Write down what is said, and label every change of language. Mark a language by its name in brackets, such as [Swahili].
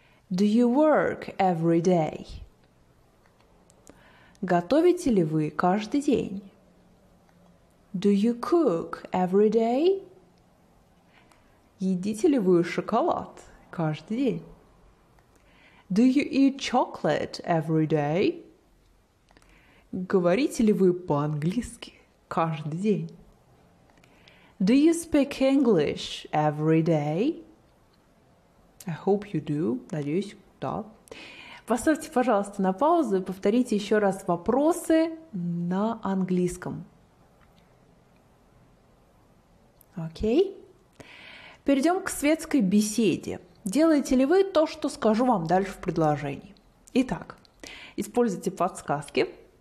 [English] Do you work every day? [Russian] Готовите ли вы каждый день? [English] Do you cook every day? [Russian] Едите ли вы шоколад каждый день? [English] Do you eat chocolate every day? [Russian] Говорите ли вы по-английски каждый день? [English] Do you speak English every day? I hope you do. [Russian] Надеюсь, да. Поставьте, пожалуйста, на паузу и повторите еще раз вопросы на английском. Окей. Перейдем к светской беседе. Делаете ли вы то, что скажу вам дальше в предложении? Итак, используйте подсказки.